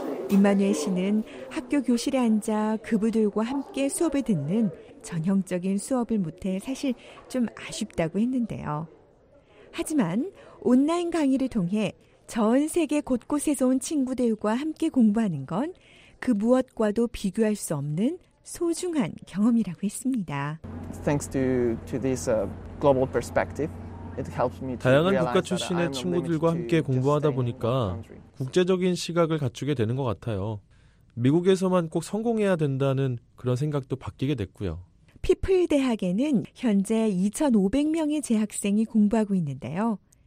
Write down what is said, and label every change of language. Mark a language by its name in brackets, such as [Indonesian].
[Korean] 임마누엘 씨는 학교 교실에 앉아 그부들과 함께 수업을 듣는 전형적인 수업을 못해 사실 좀 아쉽다고 했는데요. 하지만 온라인 강의를 통해 전 세계 곳곳에서 온 친구들과 함께 공부하는 건 그 무엇과도 비교할 수 없는 소중한 경험이라고 했습니다. [English] Thanks to this global perspective, it helps me. [Korean] 다양한 국가 출신의 친구들과 함께 공부하다 보니까 국제적인 시각을 갖추게 되는 것 같아요. 미국에서만 꼭 성공해야 된다는 그런 생각도 바뀌게 됐고요. 피플 대학에는 현재 2,500명의 재학생이 공부하고 있는데요.